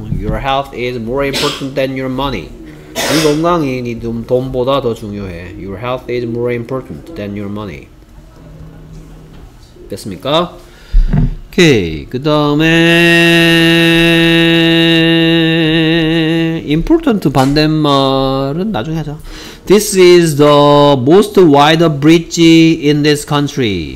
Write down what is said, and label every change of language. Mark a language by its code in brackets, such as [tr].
[en] your health is more important than your money. [ko] 네 건강이 네 돈보다 더 중요해. [en] your health is more important than your money. [ko] 됐습니까? 오케이. 그다음에 important 반대말은 나중에 하자. [en] This is the most wide bridge in this country.